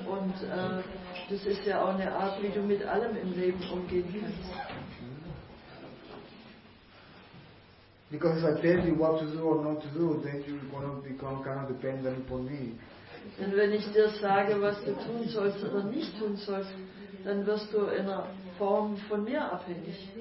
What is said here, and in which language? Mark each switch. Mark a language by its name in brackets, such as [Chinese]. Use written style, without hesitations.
[German] Und das ist ja auch eine Art, wie du mit allem im Leben umgehen kannst. [English] Because if I tell you what to do or not to do, then you're going to become kind of dependent upon me. [German] Und wenn ich dir sage, was du tun sollst oder nicht tun sollst, dann wirst du in einer Form von mir abhängig.